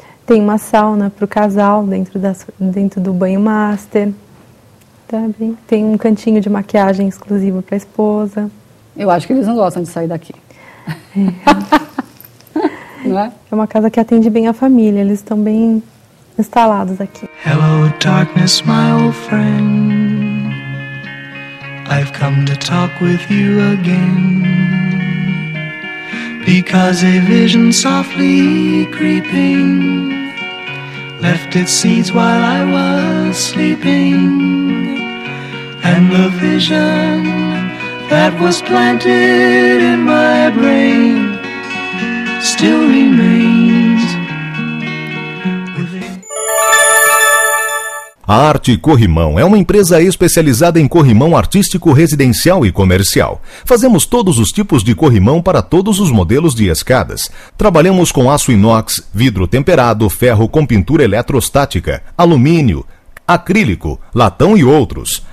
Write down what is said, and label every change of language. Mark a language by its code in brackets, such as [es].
[pt] Tem uma sauna para o casal dentro, dentro do banho master. Tá bem? Tem um cantinho de maquiagem exclusivo para a esposa. Eu acho que eles não gostam de sair daqui. É. Não é? É uma casa que atende bem a família. Eles estão bem instalados aqui. [en] Hello, darkness, my old friend. I've come to talk with you again. Because a vision softly creeping left its seeds while I was sleeping. And the vision that was planted in my brain still remains. [pt] A Arte Corrimão é uma empresa especializada em corrimão artístico residencial e comercial. Fazemos todos os tipos de corrimão para todos os modelos de escadas. Trabalhamos com aço inox, vidro temperado, ferro com pintura eletrostática, alumínio, acrílico, latão e outros.